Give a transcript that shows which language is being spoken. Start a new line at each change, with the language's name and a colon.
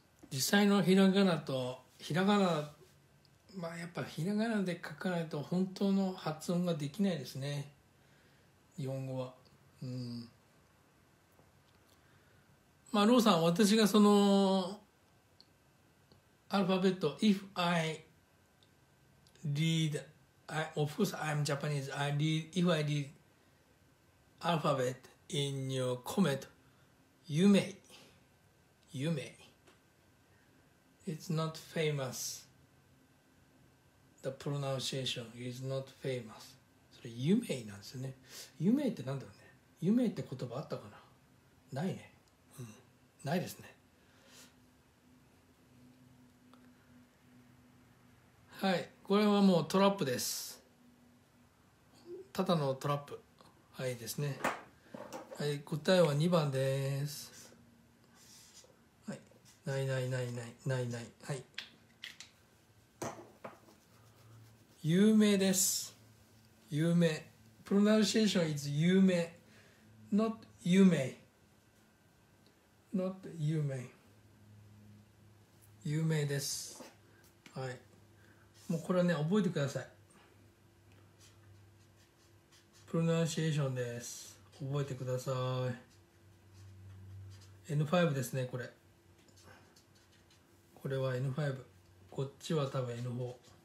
Japanese: 実際のひらがなとひらがな、まあやっぱひらがなで書かないと本当の発音ができないですね、日本語は。まあ、ローさん、私がその、アルファベット、
English: if I read, I, of course I'm Japanese, I read, if I read alphabet in your comment, you may. It's not famous. The pronunciation is not famous.
Japanese: それ、
English: you may
Japanese: なんですよね。you may ってなんだろうね。you may って言葉あったかな？ないね。ないですね。はい、これはもうトラップです。ただのトラップ。はいですね。はい、答えは2番です。はい、ないないないないないない。はい、有名です。有名。
English: pronunciation is 有名 not 有名Not 有名。
Japanese: 有名です。はい。もうこれはね、覚えてください。プロナンシエーションです。覚えてください。N5 ですね、これ。これは N5。こっちは多分 N4。